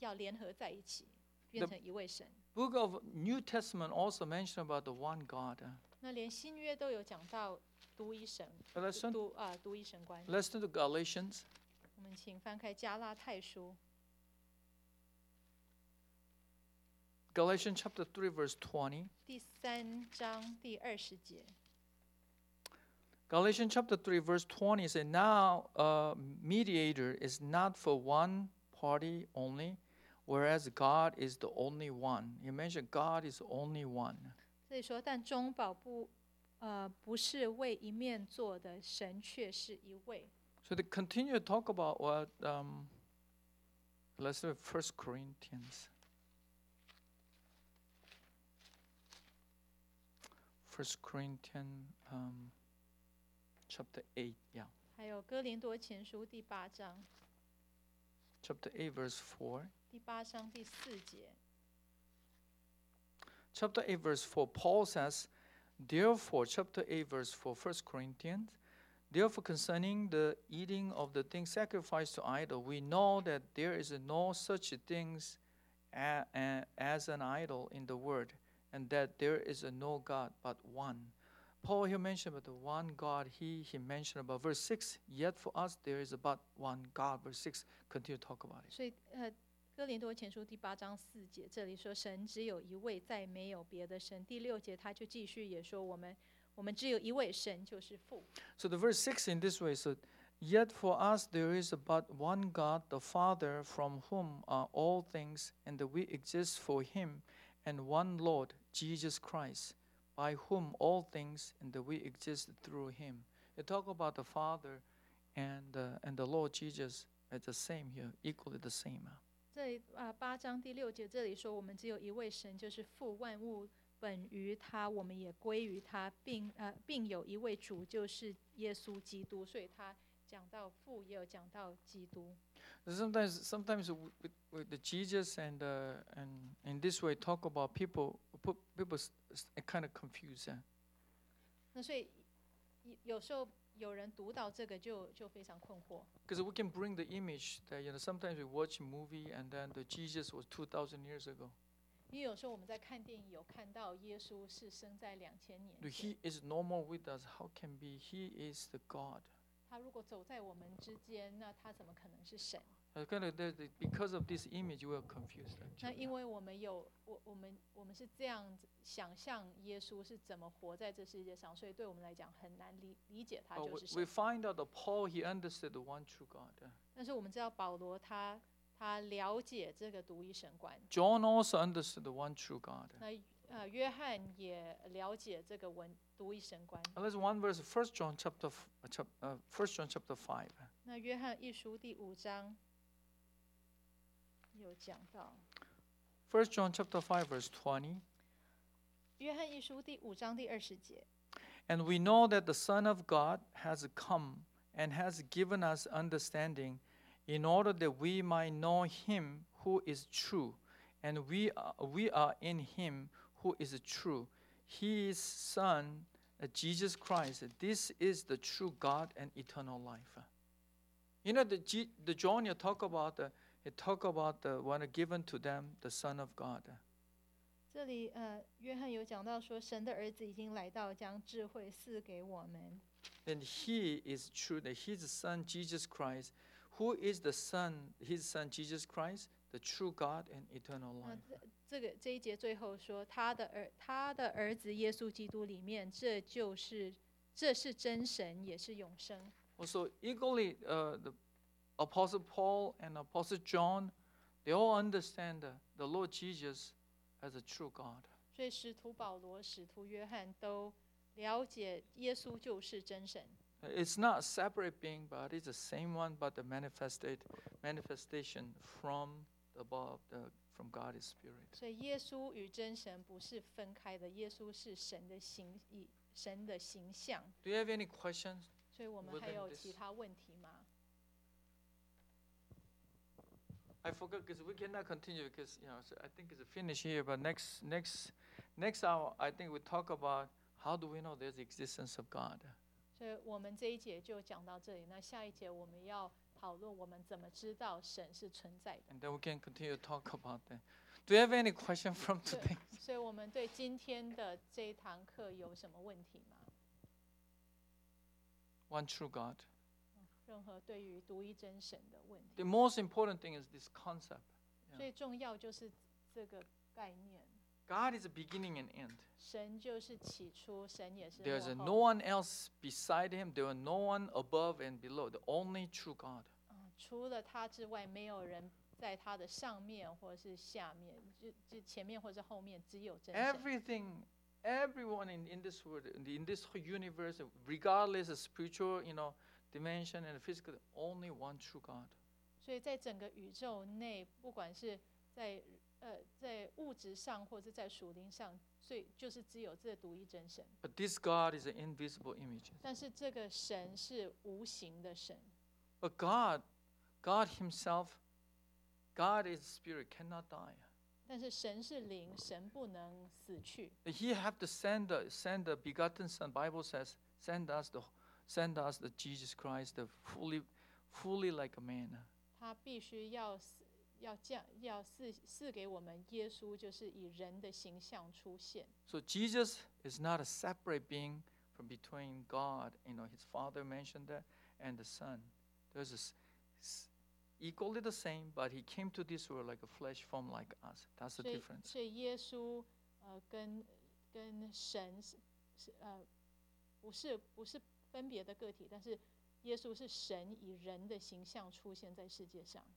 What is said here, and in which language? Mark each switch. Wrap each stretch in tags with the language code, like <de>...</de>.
<zh>并不是三个神要同意他们都是要联合在一起变成一位神。</zh> <en>The book of New Testament also mentioned about the one God.</en> <zh>那连新约都有讲到独一神，独一神观。</zh> <en>Let's turn to Galatians.</en> <zh>我们请翻开加拉太书。Galatians</zh> <en>chapter 3 verse 20.</en> <zh>第三章第20节。Galatians</zh> <en>chapter 3 verse 20 says, Now a mediator is not for one party only, whereas God is the only one. You mentioned God is only one.</en> <zh>这里说，但中保不是为一面做的，神却是一位。</zh> <en>So they continue to talk about what, let's say 1 Corinthians. 1 Corinthians chapter 8, yeah.</en> <zh>还有哥林多前书第八章。</zh> <en>Chapter 8, verse 4.</en> <zh>第八章第四节。</zh> <en>Chapter 8, verse 4, Paul says, Therefore, chapter 8, verse 4, 1 Corinthians, Therefore, concerning the eating of the things sacrificed to idol, we know that there is no such things as an idol in the world, and that there is no God but one. Paul here mentioned about the one God he mentioned about. Verse 6, Yet for us there is but one God. Verse 6, continue to talk about it.</en> <zh>哥林多前书第八章四节，这里说神只有一位，再没有别的神。第六节他就继续也说我们只有一位神，就是父。</zh> <en>So the verse 6 in this way said, Yet for us there is but one God, the Father, from whom are all things, and that we exist for him, and one Lord, Jesus Christ, by whom all things, and that we exist through him. They talk about the Father and the Lord Jesus as the same here, equally the same.</en> <zh>八章第六节这里说我们只有一位神就是父万物本于他我们也归于他 并有一位主就是耶稣基督所以他讲到父也有讲到基督</zh> <en>Sometimes with the Jesus and in this way talk about people kind of confused</en> <zh>所以有时候有人读到这个就非常困惑。</zh> <en>Because we can bring the image that you know, sometimes we watch a movie and then the Jesus was 2,000 years ago.</en> <zh>因为有时候我们在看电影，有看到耶稣是生在两千年。</zh> <en>He is normal with us. How can be? He is the God.</en> <zh>他如果走在我们之间，那他怎么可能是神？</zh> <en>Because of this image, we are confused.</en> <zh>那因为我们是这样想象耶稣是怎么活在这世界上，所以对我们来讲很难理解他就是神。</zh> <en>We find out that Paul he understood the one true God.</en> <zh>但是我们知道保罗他了解这个独一神观。</zh> <en>John also understood the one true God.</en> <zh>那约翰也了解这个独一神观。</zh> <en>Let's one verse, First John chapter five.</en> <zh>那约翰一书第五章有讲到。</zh> <en>First John chapter 5 verse 20.</en> <zh>约翰一书第五章第二十节。</zh> <en>And we know that the Son of God has come and has given us understanding in order that we might know him who is true. And we are in him who is true. His Son, Jesus Christ, this is the true God and eternal life. You know, the John you talk about the,It talk about the one given to them, the Son of God.</en> <zh>这里约翰有讲到说，神的儿子已经来到，将智慧赐给我们。</zh> <en>And he is true, that his Son Jesus Christ, who is the Son, his Son Jesus Christ, the true God and eternal life.</en> <zh>这一节最后说，他的儿子耶稣基督里面，这是真神，也是永生。</zh> <en>Also, equally, the. Apostle Paul and Apostle John, they all understand the Lord Jesus as a true God.</en> <zh>所以使徒保罗、使徒约翰都了解耶稣就是真神。</zh> <en>It's not a separate being, but it's the same one, but the manifestation from above, from God's Spirit.</en> <zh>所以耶稣与真神不是分开的，耶稣是神的形象。</zh> <en>Do you have any questions?</en> <zh>所以我们还有其他问题吗？</zh> <en>I forgot because we cannot continue because you know, so I think it's finished here. But next hour, I think we talk about how do we know there's the existence of God. So,</en> <zh>我们这一节就讲到这里。那下一节我们要讨论我们怎么知道神是存在的。</zh> <en>And then we can continue to talk about that. Do you have any question from today?</en> <zh>所以我们对今天的这一堂课有什么问题吗？</zh> <en>One true God.</en> <zh>任何对于独一真神的问题。</zh> <en>The most important thing is this concept.</en> <zh>最重要就是这个概念。</zh> <en>God is a beginning and end.</en> <zh>神就是起初，神也是末后。</zh> <en>There is no one else beside him. There is no one above and below. The only true God.</en> <zh>除了他之外，没有人在他的上面或是下面，就前面或是后面，只有真神。</zh> <en>Everything. Everyone in this world, in this universe, regardless of spiritual, you know, dimension and physical, only one true God. So, in</en> <zh>整个宇宙内，不管是在在物质上或者在属灵上，所以就是只有这独一真神。</zh> <en>But this God is an invisible image.</en> <zh>但是这个神是无形的神。</zh> <en>But God, God Himself, God is spirit, cannot die.</en> <zh>但是神是灵，神不能死去。</zh> <en>He have to send the begotten Son. Bible says, send us the Jesus Christ, the fully like a man.</en> <zh>他必须要赐给我们耶稣，就是以人的形象出现。</zh> <en>So Jesus is not a separate being from between God. You know, His Father mentioned that, and the Son. There's this. Equally the same, but he came to this world like a flesh form like us. That's the difference.</en> <zh>所以耶稣，跟神是不是分别的个体，但是耶稣是神以人的形象出现在世界上。</zh>